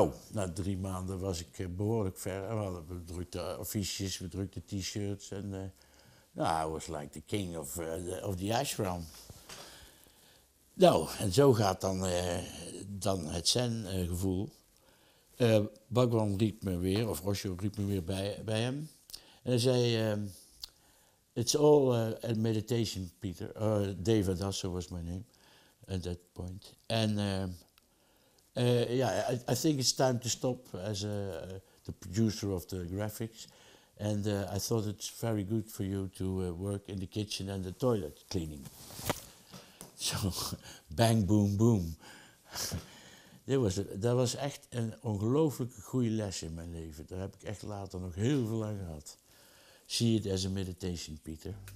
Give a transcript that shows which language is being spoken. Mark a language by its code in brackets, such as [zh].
[nl] Na 3 maanden was ik behoorlijk ver. We drukten affiches, we drukten t-shirts. [en] I was like the king of the ashram. [nl] Nou, en zo gaat dan het zen-gevoel. Bhagwan riep me weer, of Osho riep me weer bij hem. En hij zei, [en] It's all a meditation, Peter. Dave Adasso was my name at that point. And I think it's time to stop as the producer of the graphics. And I thought it's very good for you to work in the kitchen and the toilet cleaning. So, bang, boom, boom. [nl] Dat was echt een ongelooflijke goede les in mijn leven. Daar heb ik echt later nog heel veel aan gehad. [en] See it as a meditation, Peter.